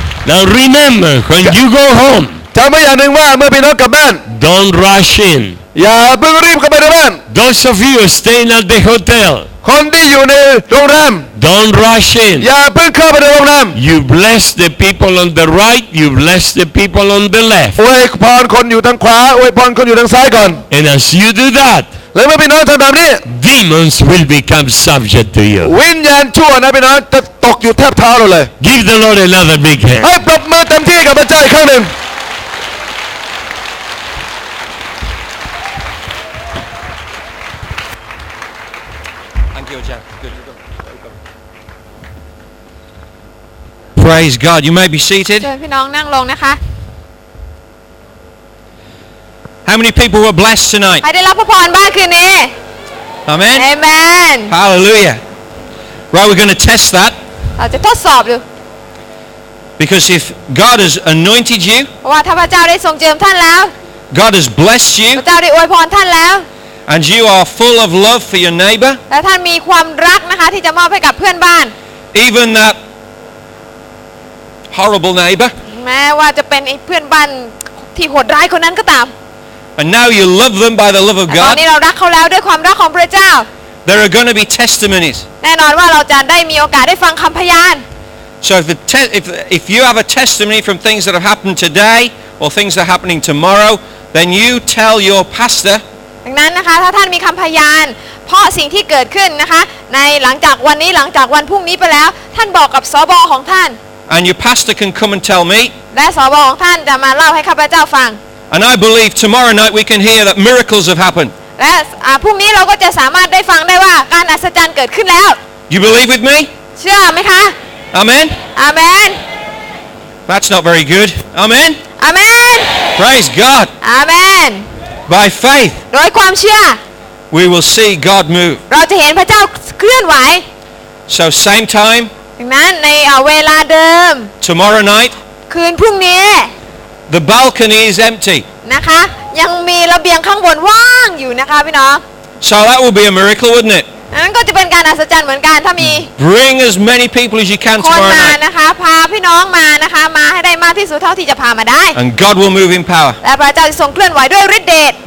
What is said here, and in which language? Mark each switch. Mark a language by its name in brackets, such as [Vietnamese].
[English] Now remember when you go home. [Thai] จำไว้อย่างนึงว่าเมื่อพี่น้องกลับบ้าน [English] Don't rush in. [Thai] อย่าเพิ่งรีบกลับไปที่บ้าน [English] Those of you staying at the hotel. [Thai] คนที่อยู่ในโรงแรม [English] Don't rush in. [Thai] อย่าเพิ่งเข้าไปในโรงแรม [English] You bless the people on the right. You bless the people on the left. [Thai] อวยพรคนอยู่ทางขวาอวยพรคนอยู่ทางซ้ายก่อน [English] And as you do that. [Thai] แล้วเมื่อพี่น้องทำแบบนี้ [English] Demons will become subject to you [Thai] วิญญาณชั่วนะพี่น้องจะตกอยู่แทบเท้าเราเลย [English] Give the Lord another big hand [Thai] ให้ปรบมือเต็มที่กับพระเจ้าอีกครั้งนึง [English] Thank you Jack Praise God you may be seated [Thai] เชิญพี่น้องนั่งลงนะคะ [English] How many people were blessed tonight? [Thai] ใครได้รับพระพรบ้างคืนนี้ [English] Amen. Amen. Hallelujah. Right, we're going to test that. [Thai] เราจะทดสอบดู [English] Because if God has anointed you, [Thai] ว่าถ้าพระเจ้าได้ทรงเจิมท่านแล้ว [English] God has blessed you. [Thai] พระเจ้าได้อวยพรท่านแล้ว [English] And you are full of love for your neighbor. [Thai] และท่านมีความรักนะคะที่จะมอบให้กับเพื่อนบ้าน [English] Even that horrible neighbor. [Thai] แม้ว่าจะเป็นไอ้เพื่อนบ้านที่โหดร้ายคนนั้นก็ตาม [English] And now you love them by the love of God. [Thai] ตอนนี้เรารักเขาแล้วด้วยความรักของพระเจ้า [English] There are going to be testimonies. [Thai] แน่นอนว่าเราจะได้มีโอกาสได้ฟังคำพยาน [English] So if you have a testimony from things that have happened today or things that are happening tomorrow, then you tell your pastor. [Thai] ดังนั้นนะคะถ้าท่านมีคำพยานเพราะสิ่งที่เกิดขึ้นนะคะในหลังจากวันนี้หลังจากวันพรุ่งนี้ไปแล้วท่านบอกกับสบของท่าน [English] And your pastor can come and tell me. [Thai] และสบของท่านจะมาเล่าให้ข้าพเจ้าฟัง [English] And I believe tomorrow night we can hear that miracles have happened. [Thai] และพรุ่งนี้เราก็จะสามารถได้ฟังได้ว่าการอัศจรรย์เกิดขึ้นแล้ว [English] You believe with me? [Thai] เชื่อไหมคะ [English] Amen. Amen. That's not very good. Amen. Amen. Praise God. Amen. By faith. [Thai] โดยความเชื่อ [English] We will see God move. [Thai] เราจะเห็นพระเจ้าเคลื่อนไหว [English] So same time. [Thai] ดังนั้นในเวลาเดิม [English] Tomorrow night. [Thai] คืนพรุ่งนี้ [English] The balcony is empty. [Thai] นะคะยังมีระเบียงข้างบนว่างอยู่นะคะพี่น้อง [English] So that would be a miracle, wouldn't it? [Thai] นั่นก็จะเป็นการอัศจรรย์เหมือนกันถ้ามี [English] Bring as many people as you can tomorrow night. [Thai] คนมานะคะพาพี่น้องมานะคะมาให้ได้มา ากที่สุดเท่าที่จะพามาได้ [English] And God will move in power [Thai] และพระเจ้าจะทรงเคลื่อนไหวด้วยฤทธิ์เดช